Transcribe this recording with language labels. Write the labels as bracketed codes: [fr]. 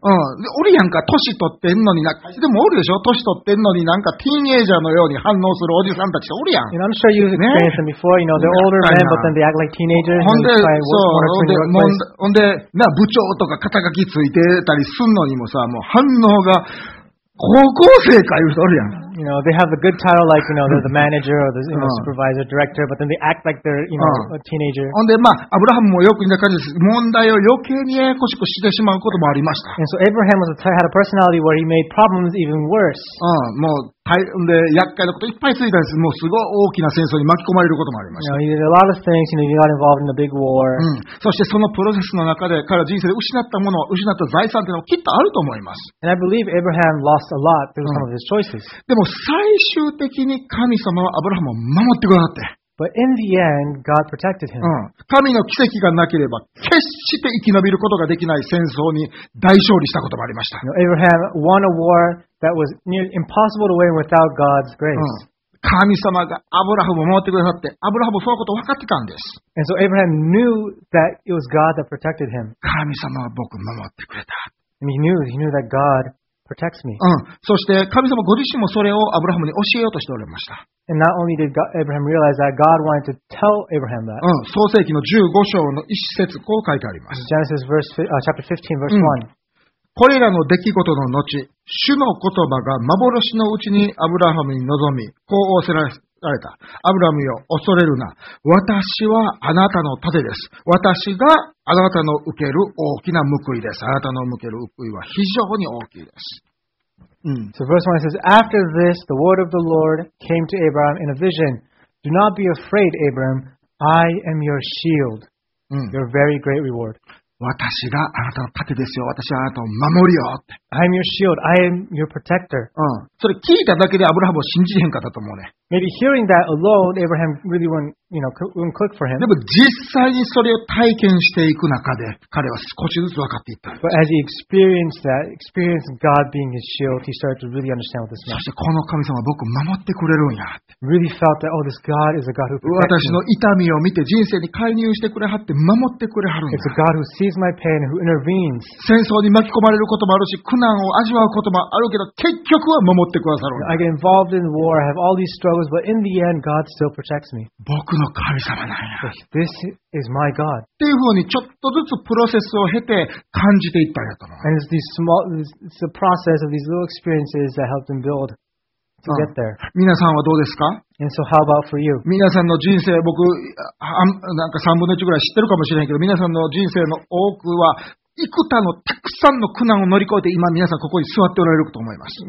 [ja] おるやんか、年取ってんのに、でもおるでしょ、年取ってんのになんかティーンエイジャーのように反応するおじさんたちおるやん。 [en] And I'm sure you've experienced them before, you know, they're older men, but then they act like teenagers. [ja] ほんで、そう、ほんで、な、部長とか肩書きついてたりすんのにもさ、もう反応が高校生かいう人おるやん。 [en] You know, they have a good title like, you know, they're the manager or the you know, supervisor, director, but then they act like they're, you know, a teenager. [ja] ほんで、まあ、アブラハムもよく似た感じです。問題を余計にややこしくしてしまうこともありました。 [en] And so Abraham was a type, had a personality where he made problems even worse. [ja] もう、で、厄介なこといっぱいついたんです。もうすごい大きな戦争に巻き込まれることもありました。 [en] You know, he did a lot of things, you know, he got involved in a big war. [ja] そしてそのプロセスの中で、彼は人生で失ったもの、失った財産というのもきっとあると思います。 [en] And I believe Abraham lost a lot through some of his choices. [ja] でも最終的に神様はアブラハムを守ってくださって。 [en] But in the end, God protected him. [ja] 神の奇跡がなければ決して生き延びることができない戦争に大勝利したこともありました。 [en] Abraham won a war that was near impossible to win without God's grace. [ja] 神様がアブラハムを守ってくださって、アブラハムはそのことを分かってたんです。 [en] And so Abraham knew that it was God that protected him. [ja] 神様は僕を守ってくれた。 [en] And he knew that God. Protects me. [ja] そして神様ご自身もそれをアブラハムに教えようとしておりました。 [en] And not only did Abraham realize that, God wanted to tell Abraham that. [ja] 創世記の15章の一節こう書いてあります。 [en] Genesis verse, chapter 15, verse 1. [ja] これらの出来事の後、主の言葉が幻のうちにアブラハムに臨み、こう仰せられた。アブラハムよ、恐れるな。私はあなたの盾です。私があなたの受ける大きな報いです。あなたの受ける報いは非常に大きいです。 [en] So verse 1 says, After this, the word of the Lord came to Abraham in a vision. Do not be afraid, Abraham. I am your shield. Your very great reward. [ja] 私があなたの盾ですよ。私はあなたを守るよ。 [en] I am your shield. I am your protector. [ja] それ聞いただけでアブラハムを信じへんかったと思うね。 [en] Maybe hearing that alone, Abraham really wouldn't click for him. [ja] でも実際にそれを体験していく中で、彼は少しずつ分かっていった。 [en] But as he experienced that, experienced God being his shield, he started to really understand what this means. [ja] そしてこの神様は僕を守ってくれるんや。 [en] Really felt that, oh, this God is a God who protects me. [ja] 私の痛みを見て人生に介入してくれはって守ってくれはるんや。 [en] It's a God who sees my pain, who intervenes. [ja] 戦争に巻き込まれることもあるし、苦難を味わうこともあるけど、結局は守ってくださるんや。 [en] I get involved in war, I have all these struggles. But in the end, God still protects me. [ja] 僕の神様なんや。 [en] This is my God. [ja] っていうふうにちょっとずつプロセスを経て感じていったんやと思う。 [en] And it's these small, it's the process of these little experiences that helped him build to get there. [ja] 皆さんはどうですか？ [en] And so how about for you? [ja] 皆さんの人生、僕なんか3分の1ぐらい知ってるかもしれないけど、皆さんの人生の多くは幾多のたくさんの苦難を乗り越えて今皆さんここに座っておられると思います。